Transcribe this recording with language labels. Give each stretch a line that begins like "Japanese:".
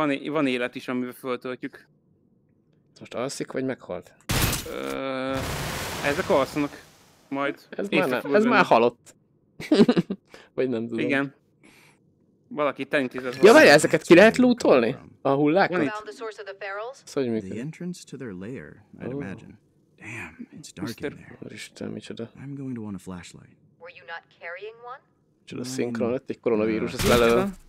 Hungarian: Van élet is, amivel föltöltjük. Most alszik, vagy meghalt? Ezek alszanak. Majd. Ez már, nem, ez már halott. Vagy nem tudom. Igen. Valaki tenyítizet van. Ja, várjál, ezeket ki lehet lootolni? A hullákat? Ez hogy működik?
English: The entrance to their lair, I'd imagine. Damn, it's dark in there.
Hungarian: Úristen, micsoda.
English: I'm going to want a flashlight. Were you not carrying one?
Hungarian: Micsoda szinkron, lett egy koronavírus, ez lelő.